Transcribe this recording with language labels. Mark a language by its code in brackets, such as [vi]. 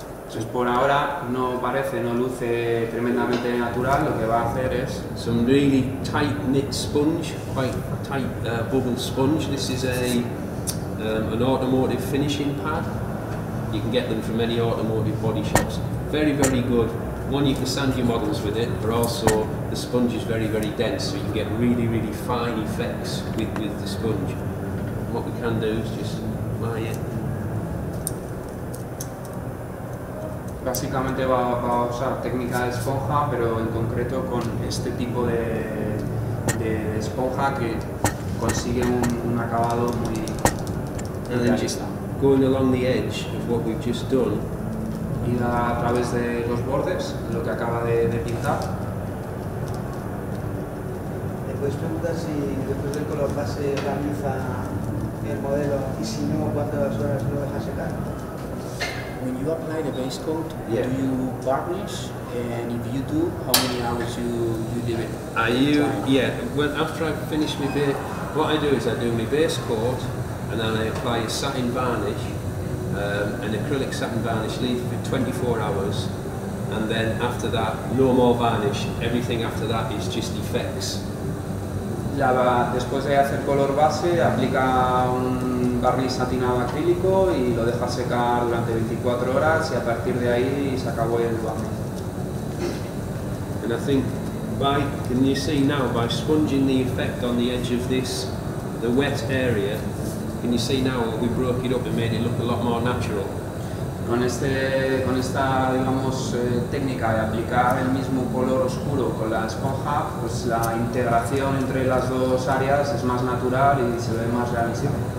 [es] Pues por ahora no parece, no luce tremendamente natural. Lo que va a hacer es [en] some really tight knit sponge, quite tight bubble sponge. This is a an automotive finishing pad. You can get them from any automotive body shops. Very, very good. One, you can sand your models with it, but also the sponge is very, very dense, so you can get really, really fine effects with the sponge. And what we can do is just lay it. [es] Básicamente va a usar técnica de esponja, pero en concreto con este tipo de esponja que consigue un acabado muy realista. [en] Going along the edge of what we've just done. [es] Ir a través de los bordes, lo que acaba de pintar. ¿Le puedes preguntar si después del color base realiza el modelo y si no, cuántas horas lo deja secar? [en] When you apply the base coat, yeah. Do you varnish? And if you do, how many hours you leave it? After I finish my base, what I do is I do my base coat, and then I apply a satin varnish, an acrylic satin varnish, leave it for 24 hours, and then after that, no more varnish. Everything after that is just effects. [es] Ya va, después de hacer color base, aplica un barniz satinado acrílico y lo deja secar durante 24 horas y a partir de ahí se acabó el barniz. [en] And I think by, can you see now, by sponging the effect on the edge of this, the wet area, can you see now we broke it up and made it look a lot more natural? [es] Con esta, digamos, técnica de aplicar el mismo color oscuro con la esponja, pues la integración entre las dos áreas es más natural y se ve más realista.